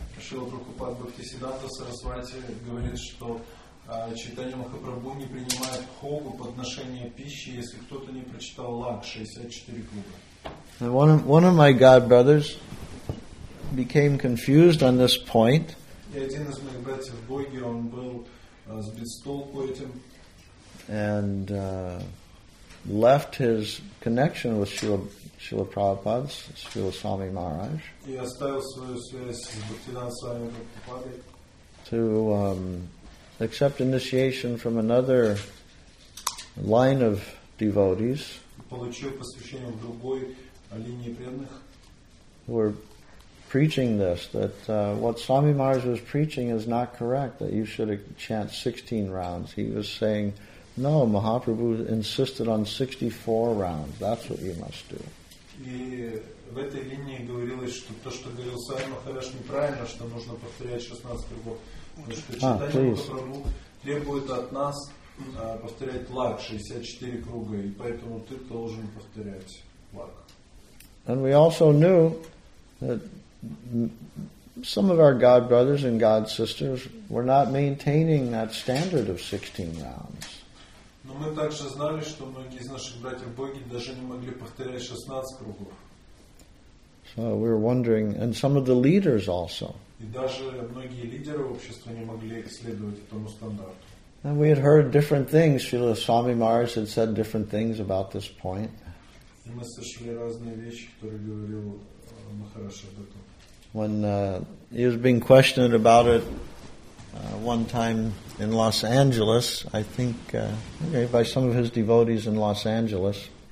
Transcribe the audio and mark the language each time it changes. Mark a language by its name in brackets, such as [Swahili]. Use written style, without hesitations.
[Russian] Шрила Прабхупада Бхактисиддханта Сарасвати говорит, что Чайтанья Махапрабху не принимает хогу подношение пищи, если кто-то не прочитал лак 64 круга. [English] And one of my god brothers became confused on this point. [Russian] И один из моих братьев Боги, он был сбит с толку этим. [English] And left his connection with Srila Prabhupada, Srila Swami Maharaj. [Russian] И оставил свою связь с Бхактивиданта Свами Прабхупадой. [English] To accept initiation from another line of devotees. [Russian] Получил посвящение в другой линии преданных. [English] Were preaching this, that what Swami Maharaj was preaching is not correct, that you should chant 16 rounds. He was saying, no, Mahaprabhu insisted on 64 rounds. That's what you must do. [Russian] И в этой линии говорилось, что то, что говорил Свами Махарадж, неправильно, что нужно повторять 16 кругов. Потому что читание Махапрабху требует от нас повторять лак 64 круга, и поэтому ты должен повторять лак. [English] And we also knew that some of our god brothers and god sisters were not maintaining that standard of 16 rounds. [Russian] Но мы также знали, что многие из наших братьев боги даже не могли повторять 16 кругов. [English] So we were wondering, and some of the leaders also. [Russian] И даже многие лидеры общества не могли следовать этому стандарту. [English] And we had heard different things. Srila Swami Maharaj had said different things about this point. [Russian] И мы слышали разные вещи, которые говорил Махарадж об этом. [English] When he was being questioned about it one time in Los Angeles, I think by some of his devotees in Los Angeles.